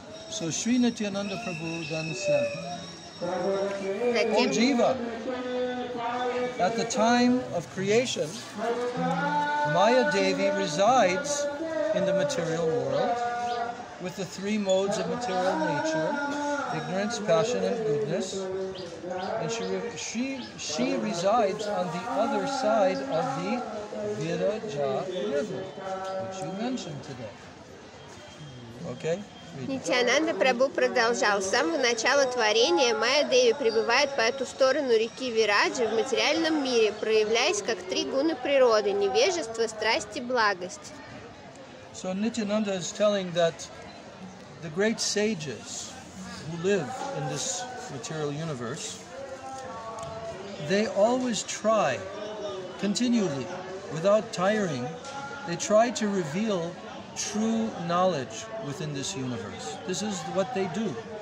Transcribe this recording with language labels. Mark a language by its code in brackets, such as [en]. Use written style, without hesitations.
[en] So Sri Nityananda Prabhu then said, O Jiva, at the time of creation, Maya Devi resides in the material world with the three modes of material nature, ignorance, passion, and goodness. And she resides on the other side of the Viraja River, which you mentioned today. Okay? [ru] Нитянанда Прабху продолжал. С самого начала творения Майя Деви пребывает по эту сторону реки Вираджи в материальном мире, проявляясь как три гуны природы – невежество, страсть и благость. [en] So Nityananda is telling that the great sages who live in this material universe, they always try, continually, without tiring, they try to reveal true knowledge within this universe. This is what they do.